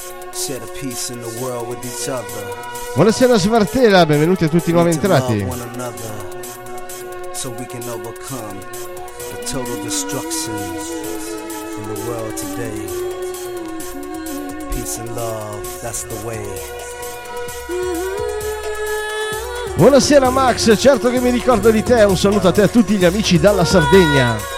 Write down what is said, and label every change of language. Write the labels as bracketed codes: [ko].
[en] Set a peace in the world with each other. [it] Buonasera Svartela, benvenuti a tutti i nuovi entrati. [en] So we can overcome total destruction in the world today. Peace and love, that's the way. [it] Buonasera Max, certo che mi ricordo di te. Un saluto a te e a tutti gli amici dalla Sardegna.